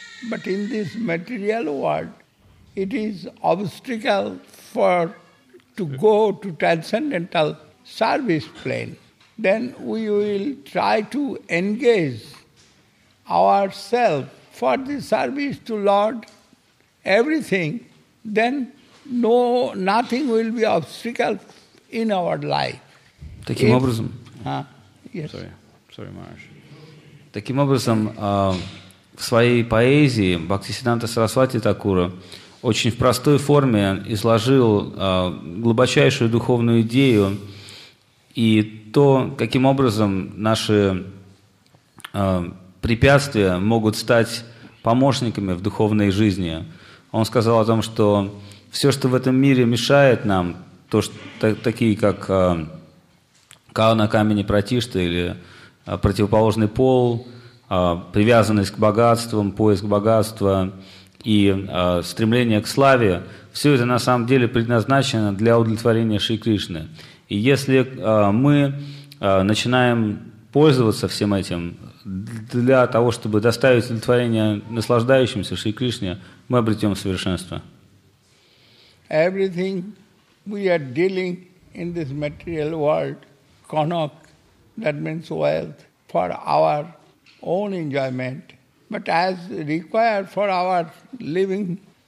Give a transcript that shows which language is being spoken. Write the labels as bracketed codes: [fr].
[en] But in this material world it is obstacle for to go to transcendental service plane then we will try to engage ourselves for the service to Lord everything, then nothing will be obstacle in our life. [ru] Таким образом... [en] Yes. Sorry, Maharaj. [ru] Таким образом, в своей поэзии Бхактисиддханта Сарасвати Такура очень в простой форме изложил глубочайшую духовную идею и то, каким образом наши препятствия могут стать помощниками в духовной жизни. Он сказал о том, что все, что в этом мире мешает нам, то, что, такие как кауна, камень и пратишта, или противоположный пол, привязанность к богатствам, поиск богатства и стремление к славе, все это на самом деле предназначено для удовлетворения Шри Кришны. И если мы начинаем пользоваться всем этим для того, чтобы доставить удовлетворение наслаждающимся Шри Кришне, мы обретем совершенство. [en] Everything we are dealing in this material world, konak, that means wealth, for our own enjoyment, but as required for our living